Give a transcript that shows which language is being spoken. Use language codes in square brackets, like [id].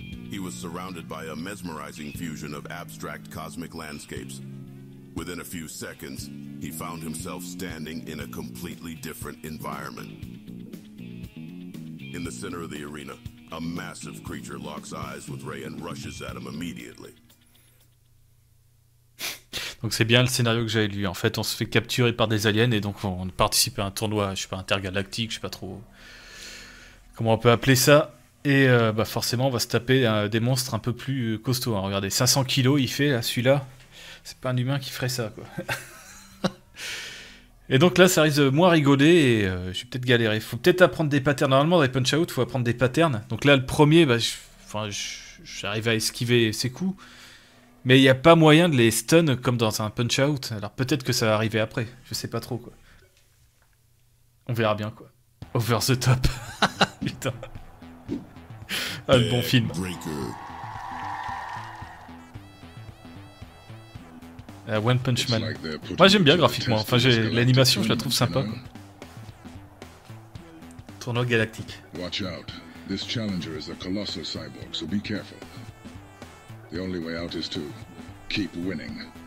[en] He was surrounded by a mesmerizing fusion of abstract cosmic landscapes. Within a few seconds, he found himself standing in a completely different environment. In the center of the arena, a massive creature locks eyes with Ray and rushes at him immediately. [fr] Donc c'est bien le scénario que j'avais lu. En fait, on se fait capturer par des aliens et donc on participe à un tournoi, je sais pas, intergalactique, je sais pas trop comment on peut appeler ça. Et bah forcément, on va se taper des monstres un peu plus costauds. Hein. Regardez, 500 kilos il fait, là, celui-là. C'est pas un humain qui ferait ça, quoi. Et donc là, ça risque de moins rigoler et je vais peut-être galérer. Faut peut-être apprendre des patterns. Normalement, dans les Punch-Out, faut apprendre des patterns. Donc là, le premier, bah, j'arrive à esquiver ses coups. Mais il n'y a pas moyen de les stun comme dans un Punch-Out. Alors peut-être que ça va arriver après. Je sais pas trop, quoi. On verra bien, quoi. [en] Over the top. [fr] Putain. Ah, le bon film. [en] One Punch Man. [fr] Moi j'aime bien graphiquement, enfin j'ai l'animation, je la trouve sympa. Quoi. Tournoi galactique. [en] Watch out. This challenger is a colossal cyborg, so be careful. The only way out is to keep winning.